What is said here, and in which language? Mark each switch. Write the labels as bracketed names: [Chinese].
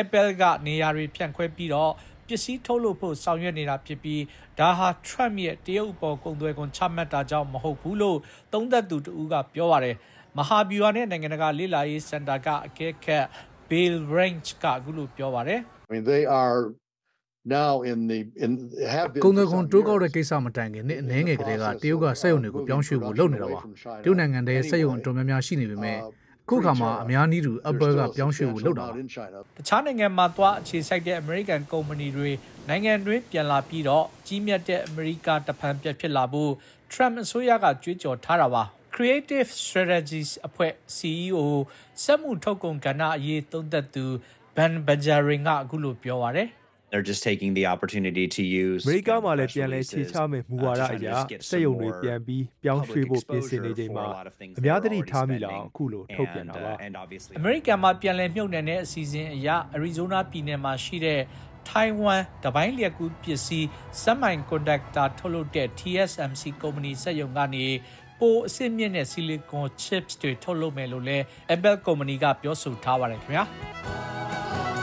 [Burmese] Apple ကနေရာတွေဖြန့်ခွဲပြီးတော့ပစ္စည်းထုတ်လုပ်ဖို့ဆောင်ရွက်နေတာဖြစ်ပြီးဒါဟာထရမ့်ရဲ့တရုတ်ပေါ်ကုန်သွယ်ကုန်ချမှတ်တာကြောင့်မဟုတ်ဘူးလို့သုံးသပ်သူတဦးကပြောပါတယ်။မဟာဗျူဟာနဲ့နိုင်ငံတကာလေ့လာရေးစင်တာကအကဲခတ်ဘေးလ်ရန့်ချ်ကအခုလိုပြောပါရယ် [English] I mean they are now in the in have been [Burmese] ကုန်သွယ်ကုန်တိုးကောက်တဲ့ကိစ္စမတိုင်ခင်နေ့အနည်းငယ်ကလေးကတရုတ်ကစက်ရုံတွေကိုပြောင်းရွှေ့ဖို့လုပ်နေတာပါတရုတ်နိုင်ငံတည်းစက်ရုံအတော်များများရှိနေပေမဲ့အခုခါမှာအများကြီးသူ Apple ကပြောင်းရွှေ့ဖို့လုပ်တာပါတခြားနိုင်ငံမှာသွားအခြေစိုက်တဲ့ American company တွေနိုင်ငံတွင်းပြန်လာပြီးတော့ကြီးမြတ်တဲ့ America တပံပြတ်ဖြစ်လာဖို့ Trump အစိုးရကကြွေးကြော်ထားတာပါCreative Strategies အဖွဲ့ CEO စက်မှုထုတ်ကုန်ကဏ္ဍအရေးသုံးသက်သူ Ben Benjamin ကအခုလိုပြောပါရယ် [English] They're just taking the opportunity to use [Burmese] မြေကမှလည်းပြန်လဲခြေချမယ်မူဝါဒအရာစက်ရုံတွေပြန်ပြီးပြောင်းရွှေ့ဖို့ပြင်ဆင်နေချိန်မှာအများသတိထားမိလောက်အခုလိုထုတ်ပြန်တာပါ American မှာပြန်လဲမြုပ်နှံတဲ့အစီအစဉ်အရ Arizona ပြည်နယ်မှာရှိတဲ့ထိုင်ဝမ်တပိုင်းလျက်ကူးပစ္စည်းစက်မှန်ကွန်ဒက်တာထုတ်လုပ်တဲ့ TSMC ကုမ္ပဏီစက်ရုံကနေပိုအစစ်မြစ်နဲ့ silicon chips တွေထုတ်လုပ်မယ်လို့လဲ Apple company ကပြောဆိုထားပါတယ်ခင်ဗျာ